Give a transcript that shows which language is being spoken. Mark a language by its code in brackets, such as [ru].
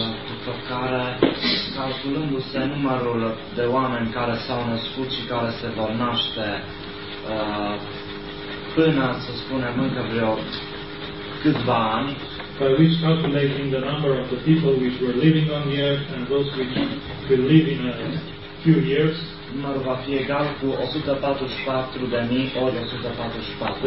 [ro] După care, calculându-se numărul de oameni care s-au născut și care se vor naște până, să spunem, încă vreo câțiva ani. [en] By which calculating the number of the people which were living on the earth and those which will live in a few years. [ro] Numărul va fi egal cu 144.000 ori 144.